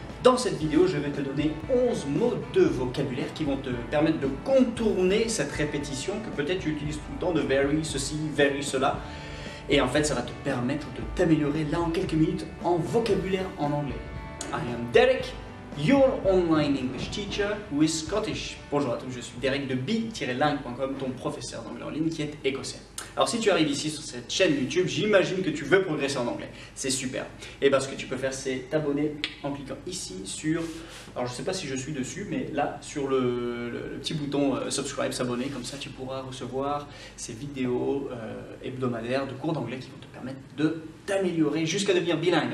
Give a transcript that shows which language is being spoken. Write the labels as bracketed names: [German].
[French] Dans cette vidéo, je vais te donner 11 mots de vocabulaire qui vont te permettre de contourner cette répétition que peut-être tu utilises tout le temps de very ceci, very cela. Et en fait, ça va te permettre de t'améliorer là en quelques minutes en vocabulaire en anglais. [English] I am Derek, your online English teacher with Scottish. [French] Bonjour à tous, je suis Derek de bee-lang.com, ton professeur d'anglais en ligne qui est écossais. Alors si tu arrives ici sur cette chaîne YouTube, j'imagine que tu veux progresser en anglais. C'est super. Et bien ce que tu peux faire, c'est t'abonner en cliquant ici sur... Alors je ne sais pas si je suis dessus, mais là, sur le petit bouton subscribe, s'abonner, comme ça tu pourras recevoir ces vidéos hebdomadaires de cours d'anglais qui vont te permettre de t'améliorer jusqu'à devenir bilingue.